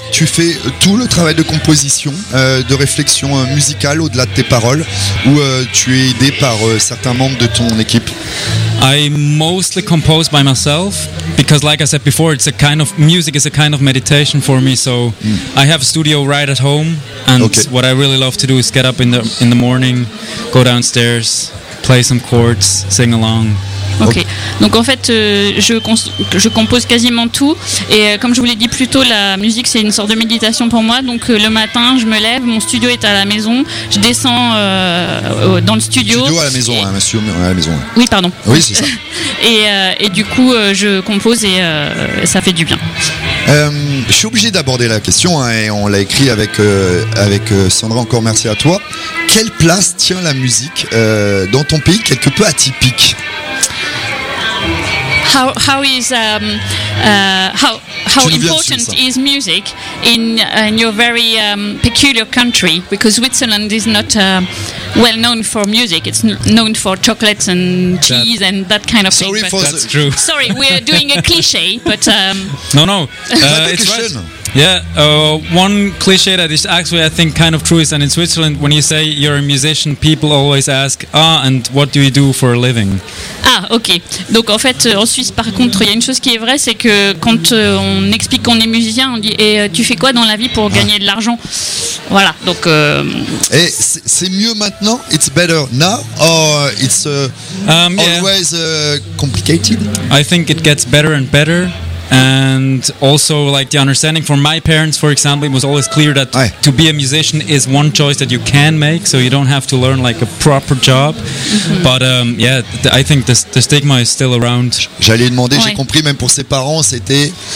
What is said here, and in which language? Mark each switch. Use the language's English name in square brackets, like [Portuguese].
[French] Tu fais tout le travail de composition, de réflexion musicale au-delà de tes paroles, ou tu es aidé par certains membres de ton équipe. [English] I mostly compose by myself because, like I said before, it's a kind of music is a kind of meditation for me. So I have a studio right at home, and what I really love to do is get up in the morning, go downstairs, play some chords, sing along. Okay. [French] Donc en fait, je compose quasiment tout. Et comme je vous l'ai dit plus tôt, la musique c'est une sorte de méditation pour moi. Donc le matin, je me lève, mon studio est à la maison. Je descends dans le studio. Studio à la maison, et... monsieur, à la maison. Oui, pardon. Oui, c'est ça. et du coup, je compose et ça fait du bien. Je suis obligé d'aborder la question, hein, et on l'a écrit avec Sandra, encore merci à toi. Quelle place tient la musique dans ton pays quelque peu atypique? [English] How important is music in your very peculiar country? Because Switzerland is not well known for music. It's known for chocolates and cheese and that kind of thing. Sorry, that's true. Sorry, we are doing a cliche, but no. It's right. Yeah, one cliche that is actually, I think, kind of true is that in Switzerland, when you say you're a musician, people always ask, and what do you do for a living? [French] Ah, ok. Donc en fait, en Suisse, par contre, il y a une chose qui est vraie, c'est que quand on explique qu'on est musicien, on dit, tu fais quoi dans la vie pour gagner de l'argent? Voilà, donc... Et c'est mieux maintenant? [English] It's better now? Or it's always complicated? I think it gets better and better. And also, like, the understanding for my parents, for example, it was always clear that to be a musician is one choice that you can make, so you don't have to learn like a proper job. Mm-hmm. But I think the stigma is still around. [French] J'allais demander, j'ai compris, même pour ses parents, c'était